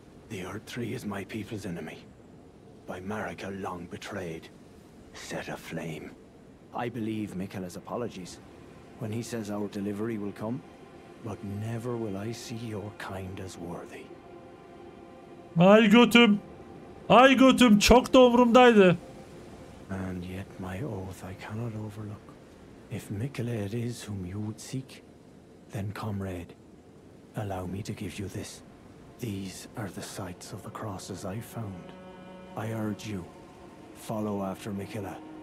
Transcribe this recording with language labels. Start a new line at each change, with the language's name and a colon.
English: The Earth Tree is my people's enemy. By Marika long betrayed. Set aflame. I believe Mikela's apologies. When he says our delivery will come. But never will I see your kind as worthy.
Turkish: My Götüm. Ay götüm çok da umurumdaydı.
English: And yet my oath I cannot overlook. If Mikela it is whom you would seek, then comrade, allow me to give you this. These are the sites of the crosses I found. I urge you, follow after Mikela.